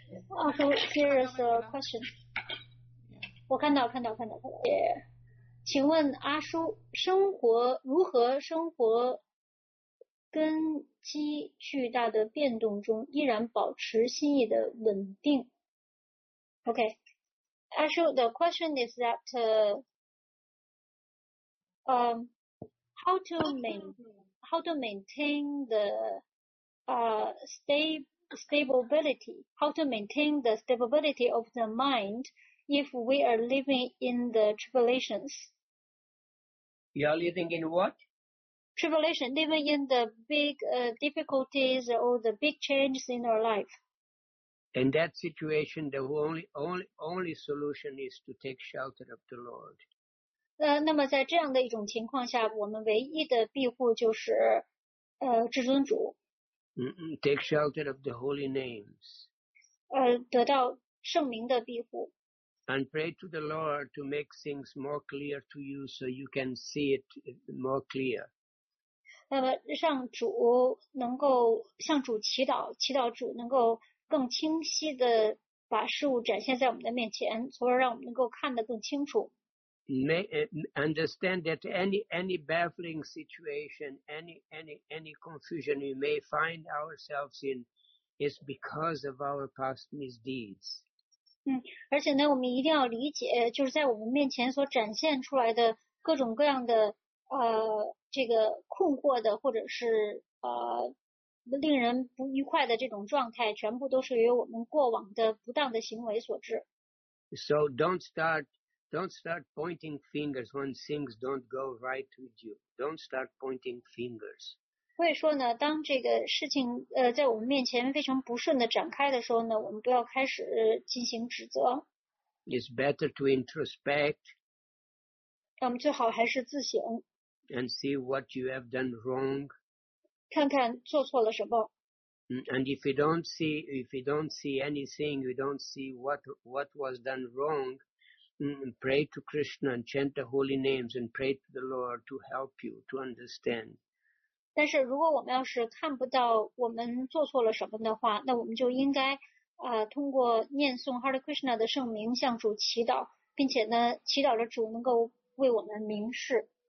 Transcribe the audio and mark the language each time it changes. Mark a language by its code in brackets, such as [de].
[en] Oh, here is a question. [zh] 我看到。 [en] Yeah. [zh] 请问阿叔，生活如何生活根基巨大的变动中依然保持心意的稳定？ [en] OK, 阿叔 the question is that how to maintain the stability, how to maintain the stability of the mind if we are living in the tribulations? You are living in what? Tribulation, living in the big difficulties or the big changes in our life. In that situation, the only solution is to take shelter of the Lord. [zh] 那么在这样的一种情况下，我们唯一的庇护就是至尊主。 [en] Take shelter of the holy names. [zh] 得到圣名的庇护。 [en] And pray to the Lord to make things more clear to you so you can see it more clear. [zh] 那么让主能够向主祈祷，祈祷主能够更清晰地把事物展现在我们的面前，从而让我们能够看得更清楚。 [en] Understand that any baffling situation, any confusion you may find ourselves in is because of our past misdeeds. [zh] 而且呢我们一定要理解，就是在我们面前所展现出来的各种各样的这个困惑的或者是令人不愉快的这种状态，全部都是由我们过往的不当的行为所致。 [en] So don't start pointing fingers when things don't go right with you. Don't start pointing fingers. [zh] 所以说呢，当这个事情在我们面前非常不顺的展开的时候呢，我们不要开始进行指责。 [en] It's better to introspect. [zh] 那我们最好还是自省。 [en] And see what you have done wrong. [zh] 看看做错了什么。 [en] And if we don't see, if we don't see anything, we don't see what was done wrong, pray to Krishna and chant the holy names and pray to the Lord to help you to understand. [zh] 但是如果我们要是看不到我们做错了什么的话，那我们就应该通过念诵 Hare Krishna 的圣名向主祈祷，并且呢祈祷着主能够为我们明示。